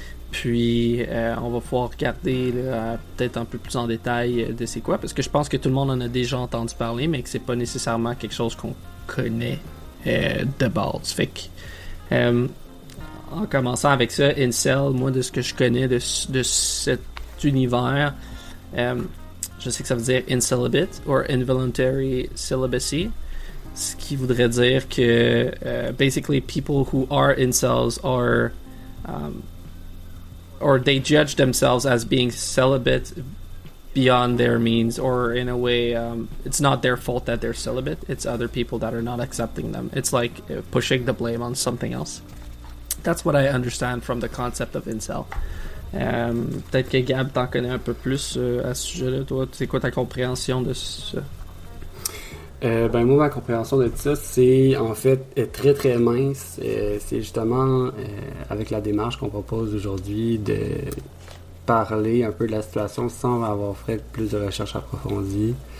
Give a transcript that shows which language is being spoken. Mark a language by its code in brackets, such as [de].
[fr] Puis, on va pouvoir regarder peut-être un peu plus en détail de c'est quoi. Parce que je pense que tout le monde en a déjà entendu parler, mais que c'est pas nécessairement quelque chose qu'on connaît de base. Fait que, en commençant avec ça, incel, moi, de ce que je connais de cet univers... je sais que ça veut dire [en] incelibate or involuntary celibacy, [fr] ce qui voudrait dire que [en] basically people who are incels are or they judge themselves as being celibate beyond their means, or in a way it's not their fault that they're celibate, it's other people that are not accepting them. It's like pushing the blame on something else. That's what I understand from the concept of incel. [fr] Peut-être que Gab t'en connaît un peu plus à ce sujet-là, toi. C'est quoi ta compréhension de ça? Ben moi, ma compréhension de ça, c'est en fait très très mince. C'est justement avec la démarche qu'on propose aujourd'hui de parler un peu de la situation sans avoir fait plus de recherches approfondies.